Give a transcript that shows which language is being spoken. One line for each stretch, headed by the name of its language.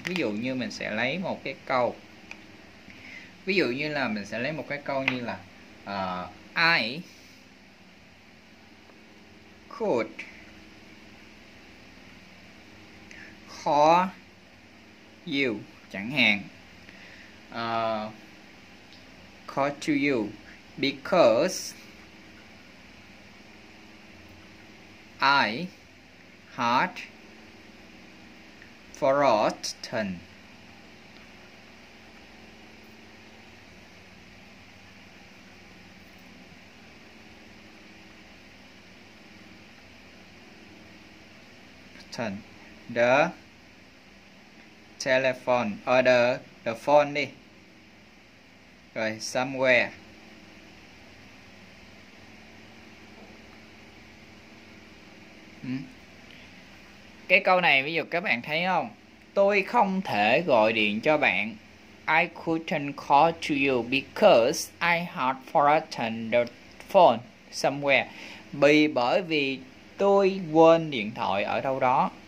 Vietnamese: Ví dụ như mình sẽ lấy một cái câu, ví dụ như là mình sẽ lấy một cái câu như là
English: I could call you
Vietnamese: chẳng hạn.
English: Call to you because I had forgotten the telephone or the phone đi. Rồi, somewhere.
Vietnamese: Cái câu này ví dụ các bạn thấy không? Tôi không thể gọi điện cho bạn.
English: I couldn't call to you because I had forgotten the phone somewhere.
Vietnamese: Bởi vì tôi quên điện thoại ở đâu đó.